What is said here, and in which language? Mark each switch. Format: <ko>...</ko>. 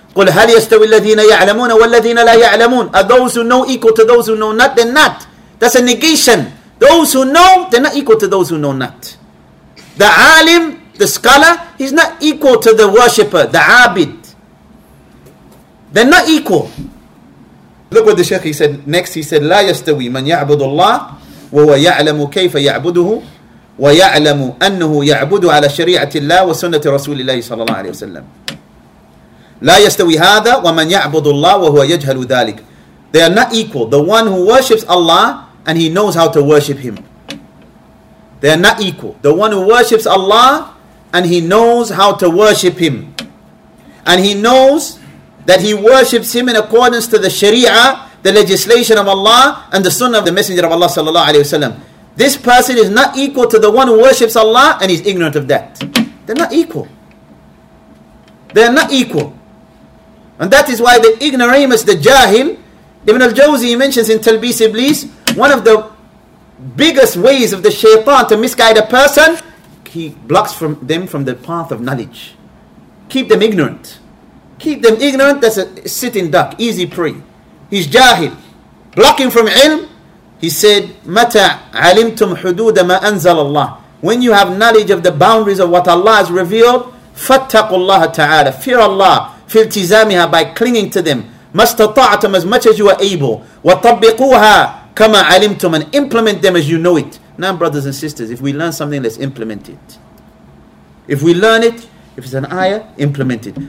<ar>قُلْ هَلْ يَسْتَوِي الَّذِينَ يَعْلَمُونَ وَالَّذِينَ لَا يَعْلَمُونَ.</ar> <en>Are those who know equal to those who know not? They're not. That's a negation. Those who know, they're not equal to those who know not. The alim, the scholar, he's not equal to the worshipper, the abid. They're not equal. Look what the Sheikh he said next. He said,</en> <ar>لا يستوي من يعبد الله وهو يعلم كيف يعبده ويعلم أنه يعبد على شريعة الله وسنة رسول الله صلى الله عليه وسلم. لا يستوي هذا ومن يعبد الله وهو يجهل ذلك.</ar> <en>They are not equal. The one who worships Allah and he knows how to worship him. They are not equal. The one who worships Allah and he knows how to worship him. And he knows that he worships him in accordance to the Sharia, the legislation of Allah and the Sunnah of the Messenger of Allah sallallahu alayhi wasallam. This person is not equal to the one who worships Allah and he's ignorant of that. They're not equal. They're not equal. And that is why the ignoramus, the jahil, Ibn al-Jawzi mentions in Talbis Iblis, one of the biggest ways of the shaitan to misguide a person, he blocks from them from the path of knowledge. Keep them ignorant. Keep them ignorant, that's a sitting duck, easy prey. He's jahil. Blocking from ilm, he said,</en> <ar>مَتَ عَلِمْتُمْ حُدُودَ مَا أَنزَلَ اللَّهِ.</ar> <en>When you have knowledge of the boundaries of what Allah has revealed,</en> <ar>فَاتَّقُوا اللَّهَ تَعَالَى.</ar> <en>Fear Allah,</en> <ar>فِي الْتِزَامِهَا,</ar> <en>by clinging to them.</en> <ar>مَا اسْتَطَعْتُمْ,</ar> <en>as much as you are able.</en> <ar>وَطَبِّقُوهَا كَمَا عَلِمْتُمْ,</ar> <en>and implement them as you know it. Now, brothers and sisters, if we learn something, let's implement it. If we learn it, if it's an ayah, implement it.</en>